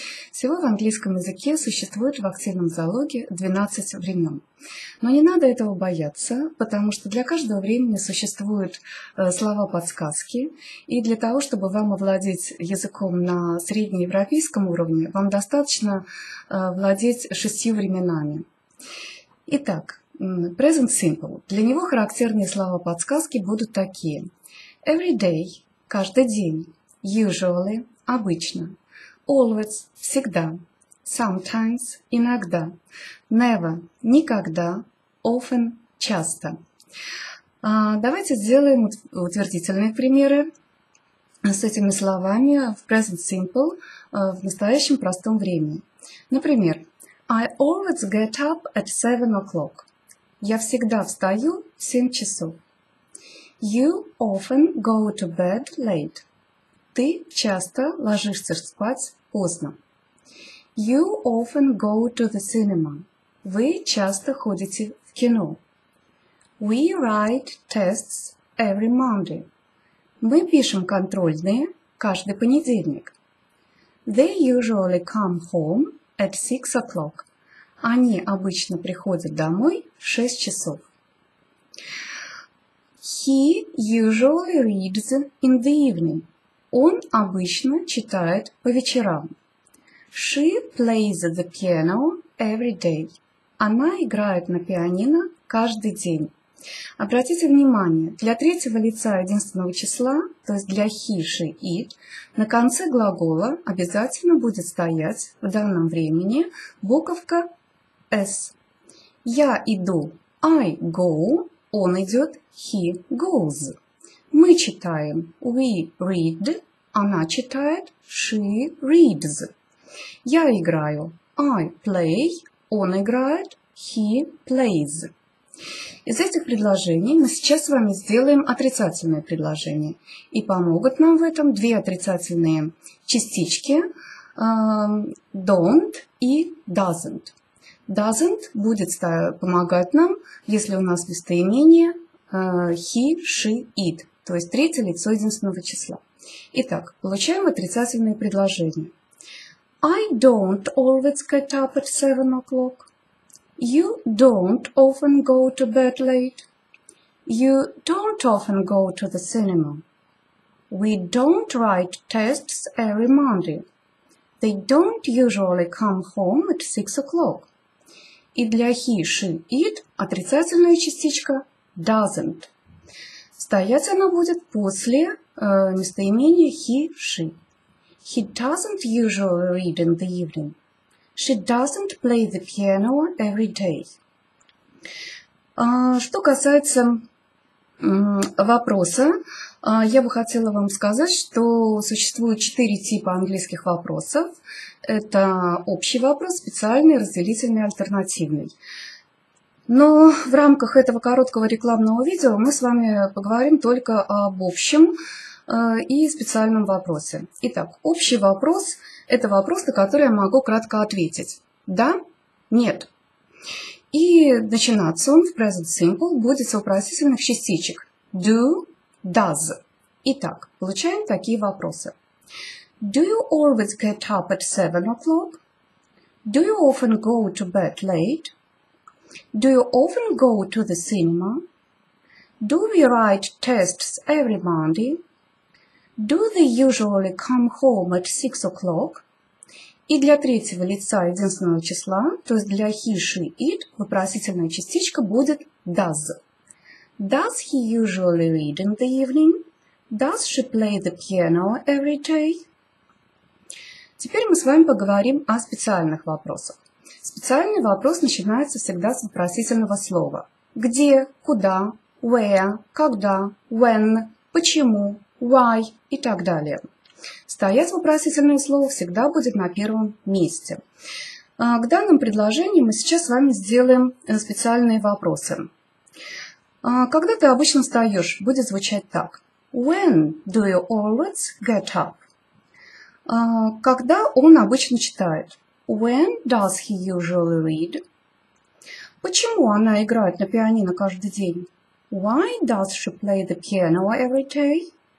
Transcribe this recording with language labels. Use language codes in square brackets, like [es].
[ru] Всего в английском языке существует в активном залоге 12 времен. Но не надо этого бояться, потому что для каждого времени существуют слова-подсказки. И для того, чтобы вам овладеть языком на среднеевропейском уровне, вам достаточно владеть 6 временами. Итак, Present Simple. Для него характерные слова-подсказки будут такие. [en] Every day [ru] – каждый день. Usually – обычно. Always – всегда. Sometimes – иногда. Never – никогда. Often – часто. Давайте сделаем утвердительные примеры с этими словами в Present Simple в настоящем простом времени. [en] Например, I always get up at 7 o'clock. [ru] Я всегда встаю в 7 часов. [en] You often go to bed late. [ru] Ты часто ложишься спать поздно. [en] You often go to the cinema. [ru] Вы часто ходите в кино. [en] We write tests every Monday. [ru] Мы пишем контрольные каждый понедельник. [en] They usually come home at 6 o'clock. [ru] Они обычно приходят домой в 6 часов. [en] He usually reads in the evening. [ru] Он обычно читает по вечерам. [en] She plays the piano every day. [ru] Она играет на пианино каждый день. Обратите внимание, для третьего лица единственного числа, то есть для he, she, it, на конце глагола обязательно будет стоять в данном времени буковка S. Я иду. [en] I go. [ru] Он идет. [en] He goes. [ru] Мы читаем. [en] We read. [ru] Она читает. [en] She reads. [ru] Я играю. [en] I play. [ru] Он играет. [en] He plays. [ru] Из этих предложений мы сейчас с вами сделаем отрицательное предложение. И помогут нам в этом две отрицательные частички. [en] Don't и doesn't. [ru] Doesn't будет помогать нам, если у нас местоимение he, she, it, то есть третье лицо единственного числа. Итак, получаем отрицательные предложения. [en] I don't always get up at 7 o'clock. You don't often go to bed late. You don't often go to the cinema. We don't write tests every Monday. They don't usually come home at 6 o'clock. [ru] И для he, she, it отрицательная частичка doesn't. Стоять она будет после местоимения he, she. [en] He doesn't usually read in the evening. She doesn't play the piano every day. [ru] Что касается вопроса, я бы хотела вам сказать, что существует 4 типа английских вопросов. Это общий вопрос, специальный, разделительный, альтернативный. Но в рамках этого короткого рекламного видео мы с вами поговорим только об общем и специальном вопросе. Итак, общий вопрос – это вопрос, на который я могу кратко ответить. Да? Нет? И начинаться он в Present Simple будет с вопросительных частичек. [en] Do, does. [ru] Итак, получаем такие вопросы. [en] Do you always get up at 7 o'clock? Do you often go to bed late? Do you often go to the cinema? Do we write tests every Monday? Do they usually come home at 6 o'clock? [ru] И для третьего лица единственного числа, то есть для he, she, it, вопросительная частичка будет does. [en] Does he usually read in the evening? Does she play the piano every day? [ru] Теперь мы с вами поговорим о специальных вопросах. Специальный вопрос начинается всегда с вопросительного слова. Где, куда, where, когда, when, почему, why и так далее. Стоять вопросительное слово всегда будет на первом месте. К данным предложениям мы сейчас с вами сделаем специальные вопросы. Когда ты обычно встаешь, будет звучать так. [en] When do you always get up? [ru] Когда он обычно читает? [en] When does he usually read? [ru] Почему она играет на пианино каждый день? [en] Why does she play the piano every day?